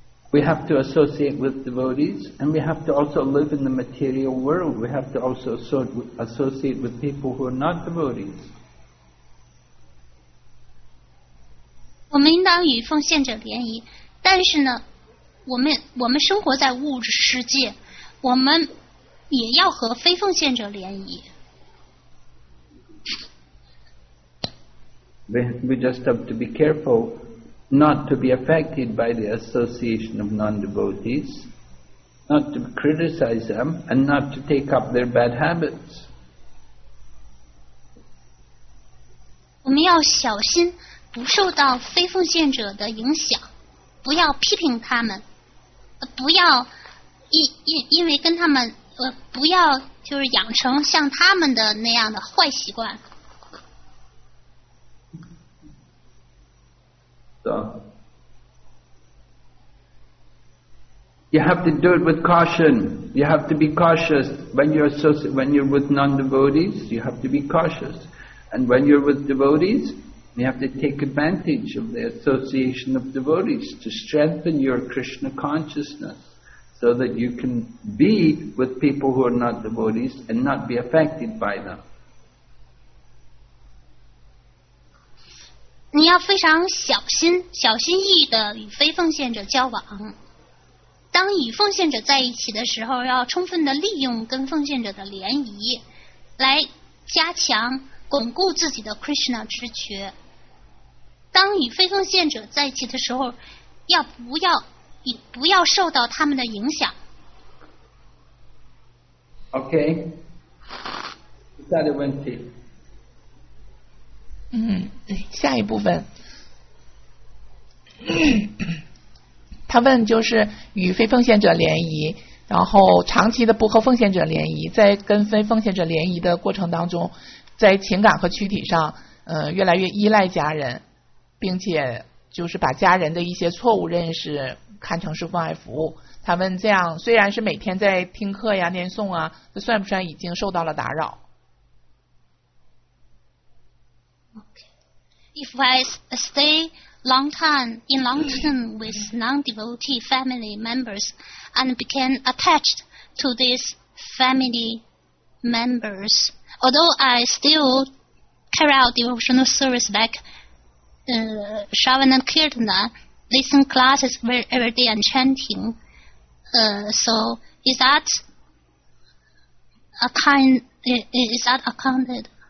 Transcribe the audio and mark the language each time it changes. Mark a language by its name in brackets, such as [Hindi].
[English] We have to associate with devotees, and we have to also live in the material world. We have to also associate with people who are not devotees. [Chinese] 我们应当与奉献者联谊，但是呢，我们生活在物质世界，我们也要和非奉献者联谊。 [English] We just have to be careful not to be affected by the association of non-devotees, not to criticize them, and not to take up their bad habits. [Chinese] 我们要小心不受到非奉献者的影响，不要批评他们，不要因为跟他们不要就是养成像他们的那样的坏习惯。 [English] You have to do it with caution. You have to be cautious when you're with non-devotees. You have to be cautious, and when you're with devotees, you have to take advantage of the association of devotees to strengthen your Krishna consciousness, so that you can be with people who are not devotees and not be affected by them. [Chinese] 你要非常小心，小心翼翼地与非奉献者交往。当与奉献者在一起的时候，要充分地利用跟奉献者的联谊，来加强巩固自己的 Krishna 知觉。当与非奉献者在一起的时候，要不要受到他们的影响。 [English] Okay, is that a 问题？ [Chinese] 下一部分他问就是与非奉献者联谊，然后长期的不和奉献者联谊，在跟非奉献者联谊的过程当中，在情感和躯体上越来越依赖家人，并且就是把家人的一些错误认识看成是关爱服务。他问这样虽然是每天在听课呀念诵啊，这算不算已经受到了打扰？ [English] If I stay long time with non-devotee family members and became attached to these family members, although I still carry out devotional service like Shravana Kirtana, listen classes every day and chanting, so is that accounted?